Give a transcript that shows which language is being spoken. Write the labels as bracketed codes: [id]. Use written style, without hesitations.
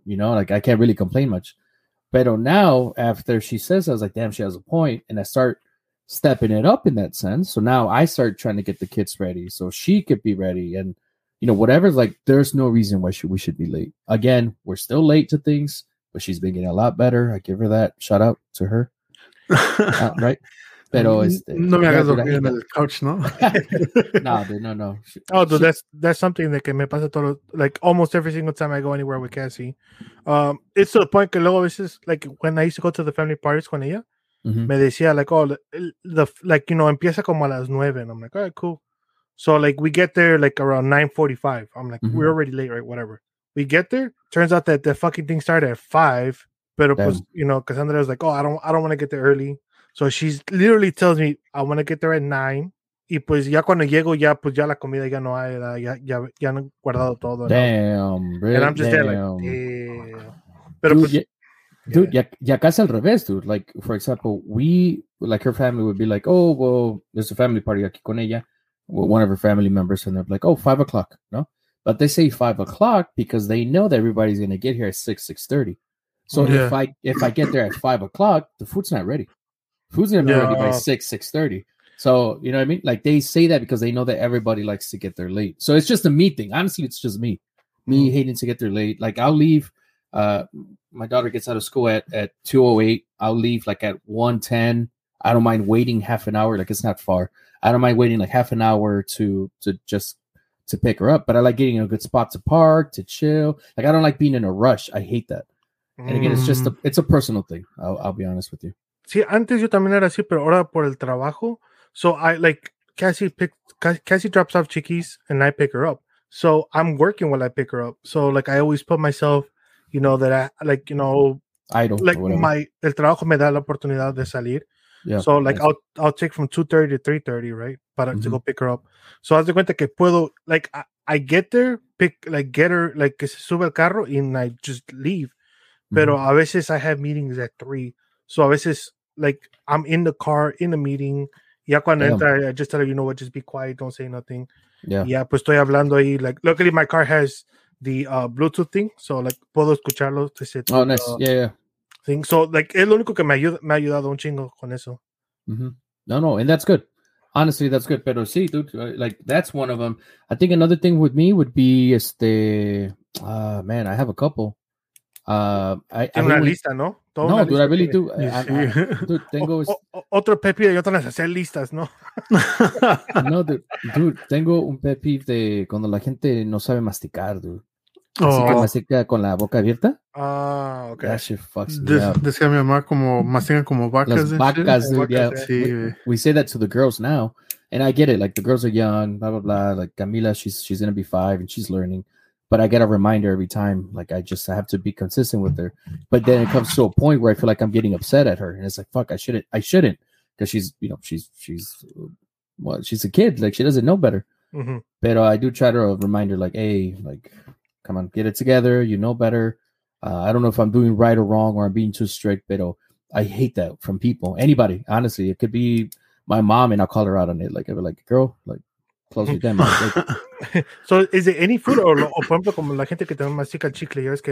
[en] You know, like I can't really complain much. But now after she says, I was like, damn, she has a point. And I start stepping it up in that sense. So now I start trying to get the kids ready so she could be ready. And, you know, whatever, like there's no reason why we should be late. Again, we're still late to things, but she's been getting a lot better. I give her that. Shout out to her. right. Pero [es] no me hagas dormir en el couch, ¿no? [en] No, dude, no. Oh, dude, that's something that me pasa todo, like almost every single time I go anywhere with Cassie. It's to the point que luego a veces, like when I used to go to the family parties con ella, me decía, like, oh, like, you know, empieza como a las 9. And I'm like, all right, cool. So, like, we get there, like, around 9:45. I'm like, we're already late, right? Whatever. We get there. Turns out that the fucking thing started at 5. Pero, pues, you know, Cassandra was like, oh, I don't want to get there early. So she literally tells me, I want to get there at 9. [es] Y pues ya cuando llego, ya pues ya la comida ya no hay, ya han guardado todo. [en] Damn, [es] ¿no? [en] Bro. And I'm just damn. There like, damn. [es] Pero dude, pues, ya casi al revés, dude. [en] Like, for example, her family would be like, oh, well, there's a family party aquí con ella, with one of her family members, and they're like, oh, 5 o'clock, no? But they say 5 o'clock because they know that everybody's going to get here at 6:30. So yeah. if I get there at 5 o'clock, the food's not ready. Food's gonna be ready by 6:30. So you know what I mean? Like they say that because they know that everybody likes to get there late. So it's just a me thing. Honestly, it's just me hating to get there late. Like I'll leave. My daughter gets out of school at 2:08. I'll leave like at 1:10. I don't mind waiting half an hour. Like it's not far. I don't mind waiting like half an hour to pick her up. But I like getting in a good spot to park to chill. Like I don't like being in a rush. I hate that. And again, it's just it's a personal thing. I'll be honest with you. [es] Sí, antes yo también era así, pero ahora por el trabajo. [en] So I like Cassie drops off chickies and I pick her up. So I'm working while I pick her up. So like I always put myself, you know, that I like, you know, I don't [es] like my el trabajo me da la oportunidad de salir. [en] Yeah, so like I'll take from 2:30 to 3:30, right? Para to go pick her up. So haz de cuenta que puedo like I get there, get her, like que se sube el carro and I just leave. Pero a veces I have meetings at 3. So a veces, like, I'm in the car, in the meeting. Ya cuando entra, I just tell her, you know what, just be quiet, don't say nothing. Yeah. [es] Ya, pues estoy hablando ahí. [en] Like, luckily, my car has the Bluetooth thing. [es] So, like, puedo escucharlo. [en] Oh, nice. Yeah. Thing. [es] So, like, es lo único que me ha ayudado un chingo con eso. [en] No, and that's good. Honestly, that's good. Pero sí, dude, like, that's one of them. I think another thing with me would be, man, I have a couple. [es] Tiene una lista, ¿no? [en] Toda no, dude, I really do. Tengo [es] otro pet peeve de yo tengo que hacer listas, ¿no? No, dude, tengo un pet peeve de cuando la gente no sabe masticar, dude. Así que con la boca abierta. [en] Ah, ok. That shit fucks [es] me up. Decía mi mamá como mastican como vacas. [en] Las vacas, dude, yeah. Sí. We say that to the girls now. And I get it, like the girls are young, blah, blah, blah. Like Camila, she's going to be 5 and she's learning. But I get a reminder every time. Like, I have to be consistent with her. But then it comes to a point where I feel like I'm getting upset at her. And it's like, fuck, I shouldn't. Because she's, you know, she's a kid. Like, she doesn't know better. Mm-hmm. But I do try to remind her, like, hey, like, come on, get it together. You know better. I don't know if I'm doing right or wrong or I'm being too strict. But I hate that from people. Anybody, honestly. It could be my mom and I'll call her out on it. Like, I'll be like, girl, like, close your damn mouth. [es] So is it any fruit or por ejemplo como la gente que también mastica el chicle, ya es que